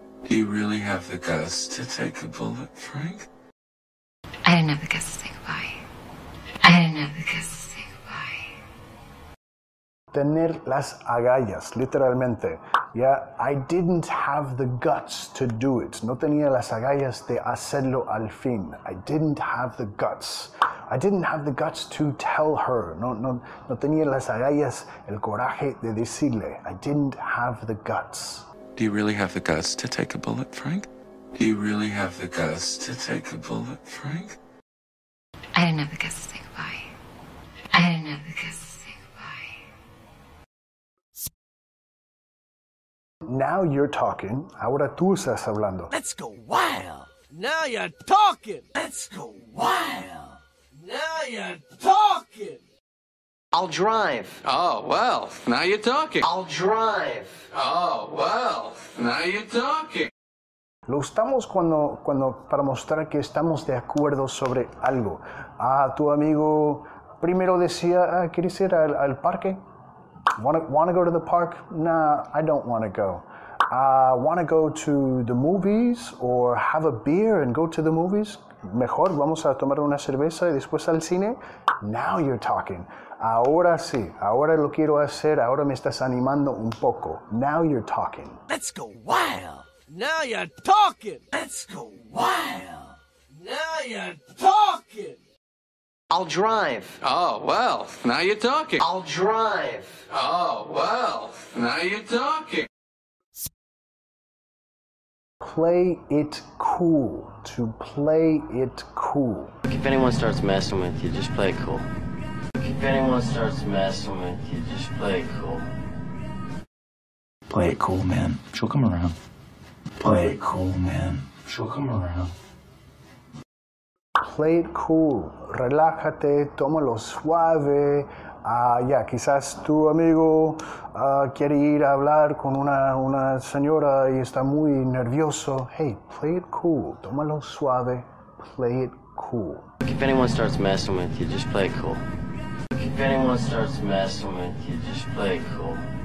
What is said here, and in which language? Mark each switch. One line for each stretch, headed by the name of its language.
English: Do you really have the guts to take a bullet, Frank? I didn't have the guts to say goodbye. I didn't have the guts.
Spanish: Tener las agallas, literalmente.
English: Yeah, I didn't have the guts to do it.
Spanish: No tenía las agallas de hacerlo al fin.
English: I didn't have the guts. I didn't have the guts to tell her.
Spanish: No tenía las agallas, el coraje de decirle.
English: I didn't have the guts. Do you really have the guts to take a bullet, Frank? Do you really have the guts to take a bullet, Frank? I didn't have the guts to say goodbye. I didn't have the guts. Now you're talking.
Spanish: Ahora tú estás hablando.
English: Let's go wild. Now you're talking. Let's go wild. Now you're talking. I'll drive. Oh, well, now you're talking. I'll drive. Oh, well, now you're talking.
Spanish: Lo usamos cuando para mostrar que estamos de acuerdo sobre algo. Ah, tu amigo primero decía, ¿quieres ir al parque?
English: Wanna go to the park? Nah, I don't wanna go. Wanna go to the movies or have a beer and go to the movies?
Spanish: Mejor, vamos a tomar una cerveza y después al cine.
English: Now you're talking.
Spanish: Ahora sí, ahora lo quiero hacer, ahora me estás animando un poco.
English: Now you're talking. Let's go wild. Now you're talking. Let's go wild. Now you're talking. I'll drive. Oh, well, now you're talking. I'll drive. Oh, well, now you're talking. Play it cool. To play it cool. Look, if anyone starts messing with you, just play it cool. Look, if anyone starts messing with you, just play it cool. Play it cool, man. She'll come around. Play it cool, man. She'll come around. Play it cool,
Spanish: relájate, tómalo suave. Quizás tu amigo quiere ir a hablar con una señora y está muy nervioso.
English: Hey, play it cool,
Spanish: tómalo suave,
English: play it cool. Look, if anyone starts messing with you, just play it cool. Look, if anyone starts messing with you, just play it cool.